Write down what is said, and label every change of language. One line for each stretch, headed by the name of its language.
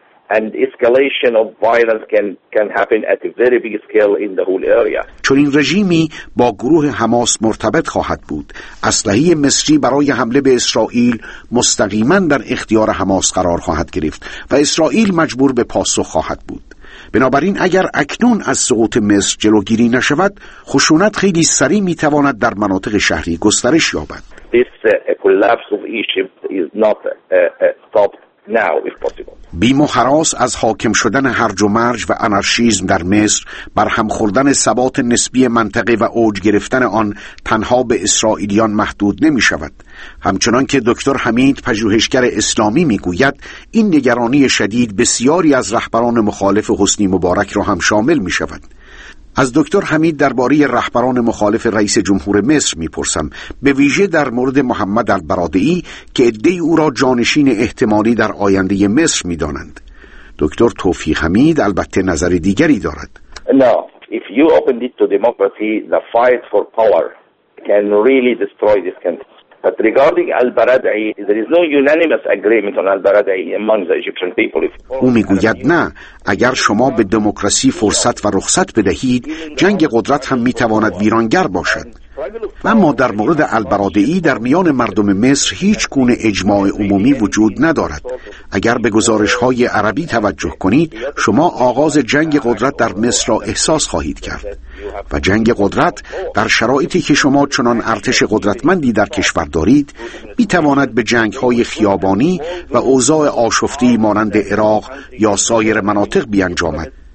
English: And escalation of violence can happen at a very big scale in the whole area.
Persian: چون این رژیمی با گروه حماس مرتبط خواهد بود. اسلحه مصری برای حمله به اسرائیل مستقیما در اختیار حماس قرار خواهد گرفت و اسرائیل مجبور به پاسخ خواهد بود. بنابراین اگر اکنون از سقوط مصر جلوگیری نشود، خشونت خیلی سریع میتواند در مناطق شهری گسترش یابد.
English: This collapse of Egypt is not stopped.
Persian: بیم و حراس از حاکم شدن هرج و مرج و انارشیزم در مصر، بر هم خوردن ثبات نسبی منطقه و اوج گرفتن آن تنها به اسرائیلیان محدود نمی شود. همچنان که دکتر حمید پژوهشگر اسلامی می گوید، این نگرانی شدید بسیاری از رهبران مخالف حسنی مبارک را هم شامل می شود. از دکتر حمید درباره رهبران مخالف رئیس جمهور مصر میپرسم، به ویژه در مورد محمد البرادعی که عده او را جانشین احتمالی در آینده مصر میدانند. دکتر توفیق حمید البته نظر دیگری دارد.
English: No, if you opened it to democracy, the fight for power can really destroy this country. But regarding al-Baradei, there is no unanimous agreement on al-Baradei among the Egyptian people. If
Persian: او میگوید نه، اگر شما به دموکراسی فرصت و رخصت بدهید، جنگ قدرت هم میتواند ویرانگر باشد. و اما در مورد البرادعی در میان مردم مصر هیچ گونه اجماع عمومی وجود ندارد. اگر به گزارش های عربی توجه کنید، شما آغاز جنگ قدرت در مصر را احساس خواهید کرد و جنگ قدرت در شرایطی که شما چنان ارتش قدرتمندی در کشور دارید می تواند به جنگ های خیابانی و اوضاع آشفتهی مانند عراق یا سایر مناطق بیانجامد.